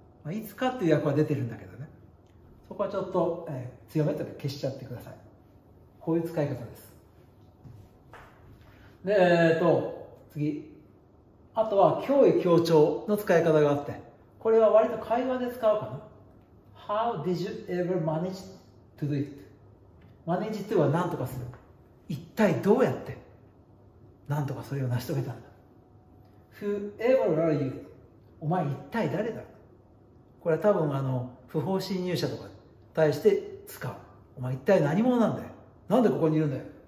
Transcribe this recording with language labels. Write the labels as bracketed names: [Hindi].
[Japanese] まあ、いつかっていう訳は出てるんだけどね。そこはちょっと、強めとか消しちゃってください。こういう使い方です。で、次。あとは脅威強調の使い方があって、これは割と会話で使うかな。 [English] How did you ever manage to do it? [Japanese] Manage to は何とかする。一体どうやって何とかそれを成し遂げたんだ。 Whoever are you? お前一体誰だ。これは多分不法侵入者とかに対して使う。お前一体何者なんだよ。なんでここにいるんだよ。